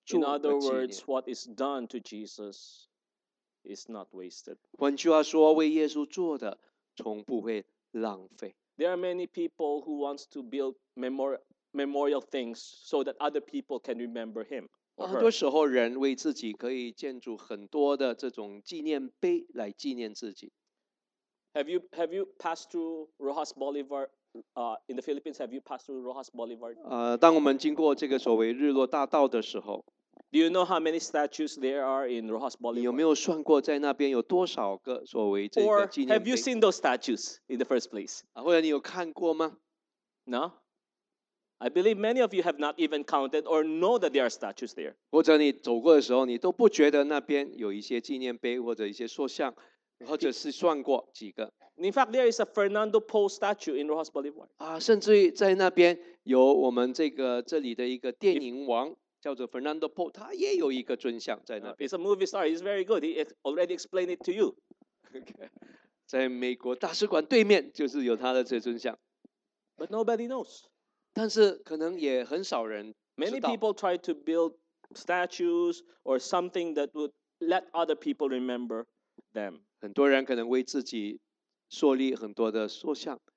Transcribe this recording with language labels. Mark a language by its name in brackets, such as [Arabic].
[English] In other words, what is done to Jesus is not wasted. [Chinese] 换句话说，为耶稣做的，从不会浪费。 [English] There are many people who want to build memorial things so that other people can remember him. [Chinese] 很多时候，人为自己可以建筑很多的这种纪念碑来纪念自己。 [English] Have you passed through Rojas Boulevard? In the Philippines, have you passed through Rojas Boulevard? [Chinese] 当我们经过这个所谓日落大道的时候， [English] Do you know how many statues there are in Rojas Bolivar? [Chinese] 你有没有算过在那边有多少个作为这个纪念碑? [English] Or have you seen those statues in the first place? [Chinese] 或者你有看过吗? [English] No? I believe many of you have not even counted or know that there are statues there. [Chinese] 或者你走过的时候你都不觉得那边有一些纪念碑或者一些塑像 或者是算过几个。 [English] In fact, there is a Fernando Po statue in Rojas Bolivar. [Chinese] 甚至于在那边有我们这里的一个电影王 叫做Fernando Po, 他也有一个尊像在那边。 [English] He's a movie star, he's very good, he already explained it to you. Okay. [Chinese] 在美国大使馆对面就是有他的这尊像。 [English] But nobody knows. [Chinese] 但是可能也很少人知道。 [English] Many people try to build statues or something that would let other people remember them. [Chinese] 很多人可能为自己 树立很多的塑像,